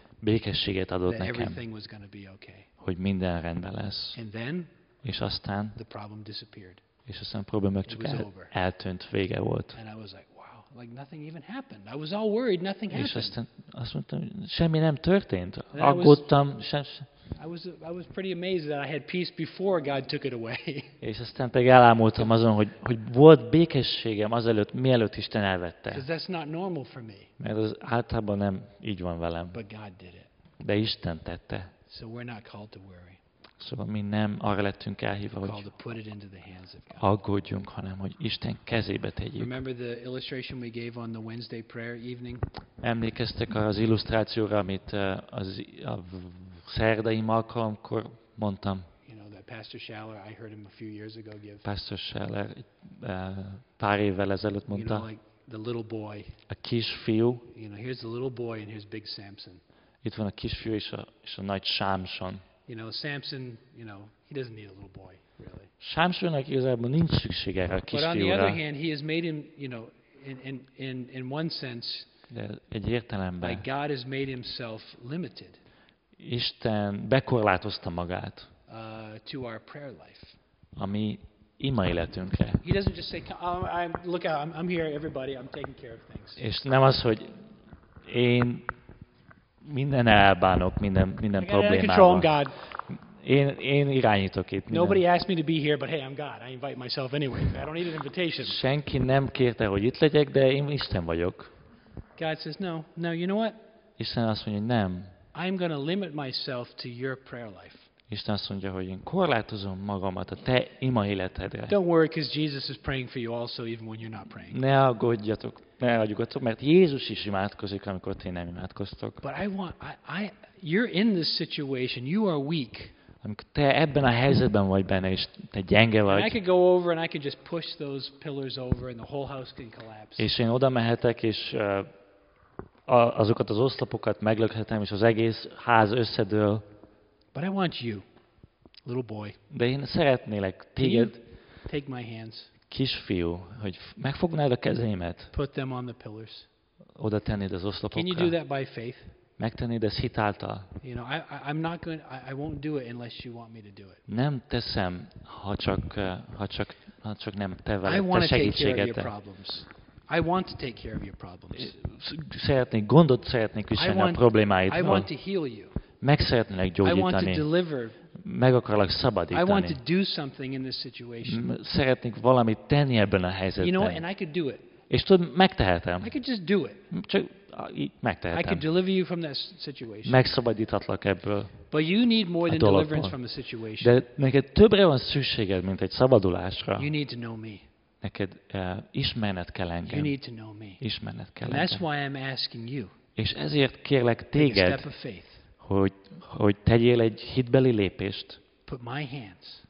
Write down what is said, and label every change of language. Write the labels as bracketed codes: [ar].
[hu] Békességet adott nekem, hogy minden rendben lesz. És aztán [en] the problem disappeared. [hu] És aztán a probléma csak eltűnt, vége volt. [en] And I was like, wow, nothing even happened. I was all worried, nothing happened. [hu] És aztán azt mondtam, semmi nem történt. Aggódtam, [en] I was pretty amazed that I had peace before God took it away. [hu] És aztán pedig elámultam azon, hogy volt békességem azelőtt, mielőtt Isten elvette. [en] That's not normal for me. [hu] Mert az általában nem így van velem. [en] But God did it. [hu] de Isten tette. [en] So we're not called to worry. [hu] Szóval mi nem arra lettünk elhívva, hogy aggódjunk, hanem hogy Isten kezébe tegyük. [en] Remember the illustration we gave on the Wednesday prayer evening? [hu] Emlékeztek arra az illusztrációra, amit a szerdai alkalomkor mondtam? [en] You know, that Pastor Schaller, I heard him a few years ago give. [hu] Pastor Schaller pár évvel ezelőtt mondta. [en] You know, like the little boy. [hu] A kisfiú. [en] You know, here's the little boy and here's big Samson. [hu] Itt van a kisfiú és a nagy Sámson. [en] You know, Samson, you know, he doesn't need a little boy, really. [hu] Sámsonnak igazából nincs szüksége erre a kisfiúra. [en] But on the other hand, he has made him, you know, in one sense, [hu] egy értelemben, [en] like God has made himself limited. [hu] Isten bekorlátozta magát. [en] To our prayer life. [hu] A mi ima életünkre. [en] He doesn't just say, I'm here, everybody, I'm taking care of things. [hu] És nem az, hogy én minden elbánok, minden problémával. Én irányítok itt. Minden. [en] Nobody asked me to be here, but hey, I'm God. I invite myself anyway. I don't need an invitation. [hu] Senki nem kérte, hogy itt legyek, de én Isten vagyok. [en] God says no. No, you know what? [hu] Isten azt mondja, hogy nem. [en] I'm going to limit myself to your prayer life. [hu] Isten azt mondja, hogy én korlátozom magamat a te ima életedre. [en] Don't worry, because Jesus is praying for you also, even when you're not praying. [hu] Ne aggódjatok. Ne aggódjatok, mert Jézus is imádkozik, amikor ti nem imádkoztok. [en] But you're in this situation, you are weak. [hu] Amikor te ebben a helyzetben vagy benne, és te gyenge vagy. [en] And I could go over and I could just push those pillars over and the whole house can collapse. [hu] És én oda mehetek, és azokat az oszlopokat meglökhetem, és az egész ház összedől. [en] But I want you, little boy. [hu] De én szeretnélek téged. [en] Take my hands. [hu] Kisfiú, hogy megfognád a kezémet. [en] Put them on the pillars. [hu] Oda tennéd az oszlopokra. [en] Can you do that by faith? [hu] Megtennéd ezt hit által. [en] You know, I won't do it unless you want me to do it. [hu] Nem teszem, ha csak nem te veled, te segítségete. [en] I want to take care of your problems. [hu] Szeretnék gondot szeretnék viselni a problémáidról. [en] I want to heal you. [hu] Meg szeretnélek gyógyítani. Meg akarlak szabadítani. [en] I want to do something in this situation. [hu] Szeretnék valamit tenni ebben a helyzetben. [en] You know, and I could do it. [hu] És tudod, megtehetem. [en] I could just do it. [hu] Csak megtehetem. [en] I could deliver you from that situation. [hu] Megszabadíthatlak ebből. [en] But you need more than deliverance from the situation. [hu] De neked többre van szükséged, mint egy szabadulásra. [en] You need to know me. [hu] Neked ismerned kell engem. [en] You need to know me. [hu] Ismerned kell [en] engem. That's why I'm asking you. [hu] És ezért kérlek téged. [en] Take a step of faith. [hu] Hogy tegyél egy hitbeli lépést. [en] Put my hands.